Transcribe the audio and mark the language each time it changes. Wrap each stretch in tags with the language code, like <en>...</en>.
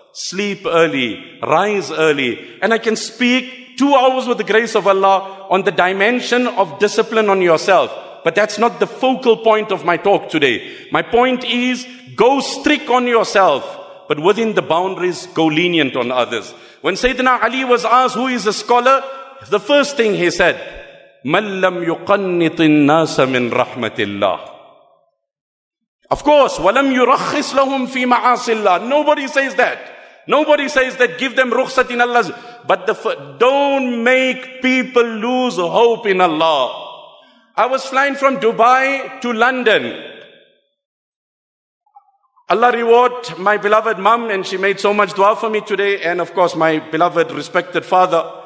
<en>Sleep early, rise early, and I can speak 2 hours with the grace of Allah on the dimension of discipline on yourself. But that's not the focal point of my talk today. My point is, go strict on yourself, but within the boundaries, go lenient on others. When Sayyidina Ali was asked, who is a scholar? The first thing he said,</en> <ar>مَنْ لَمْ يُقَنِّطِ النَّاسَ مِنْ رَحْمَةِ اللَّهِ.</ar> <en>Of course,</en> <ar>وَلَمْ يُرَخِّصْ لَهُمْ فِي مَعَاصِ اللَّهِ.</ar> <en>Nobody says that. Nobody says that, give them رُخْصَةِ in Allah. But don't make people lose hope in Allah. I was flying from Dubai to London. Allah reward my beloved mom, and she made so much dua for me today, and of course my beloved respected father.</en>